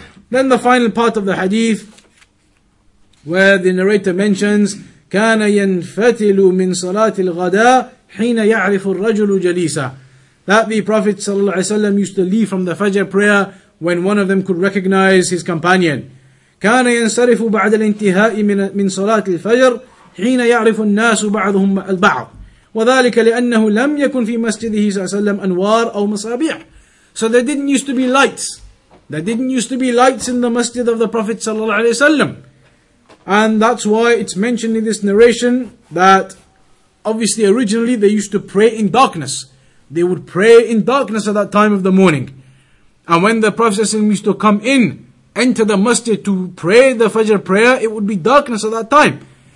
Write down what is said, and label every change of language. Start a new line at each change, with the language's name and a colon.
English: Then the final part of the hadith, where the narrator mentions,
Arabic: كَانَ يَنْفَتِلُ مِنْ صَلَاةِ الْغَدَىٰ حِينَ يَعْرِفُ الرَّجُلُ جَلِيسَ.
English: That the Prophet ﷺ used to leave from the Fajr prayer when one of them could recognize his companion.
Arabic: كان ينصرف بعد الانتهاء من صلاة الفجر حين يعرف الناس بعضهم البعض. وذلك لأنه لم يكن في مسجده صلى الله عليه وسلم أنوار أو مصابيح.
English: So there didn't used to be lights. There didn't used to be lights in the masjid of the Prophet ﷺ. And that's why it's mentioned in this narration that obviously originally they used to pray in darkness. They would pray in darkness at that time of the morning. And when the Prophet used to come in, enter the masjid to pray the Fajr prayer, it would be darkness at that time.